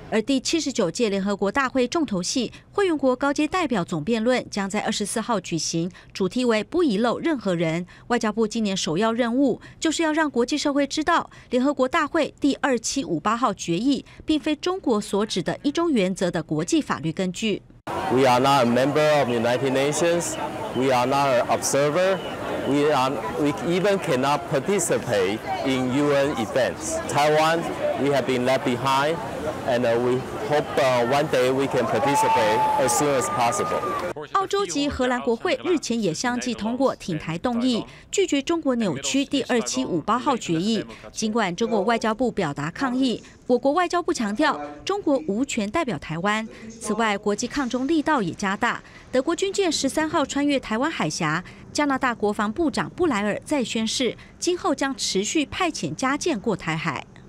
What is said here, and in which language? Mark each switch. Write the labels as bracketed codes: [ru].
[zh] 而第79届联合国大会重头戏会员国高阶代表总辩论将在24号举行，主题为不遗漏任何人。外交部今年首要任务就是要让国际社会知道，联合国大会第2758号决议并非中国所指的一中原则的国际法律根据。 [en] We are not a member of the United Nations. We are not an observer. We even cannot participate in UN events. Taiwan, we have been left behind, and we hope one day we can participate as soon as possible. [zh] 澳洲及荷兰国会日前也相继通过挺台动议，拒绝中国扭曲第2758号决议。尽管中国外交部表达抗议，我国外交部强调中国无权代表台湾。此外，国际抗中力道也加大，德国军舰13号穿越台湾海峡，加拿大国防部长布莱尔再宣示今后将持续派遣加舰过台海。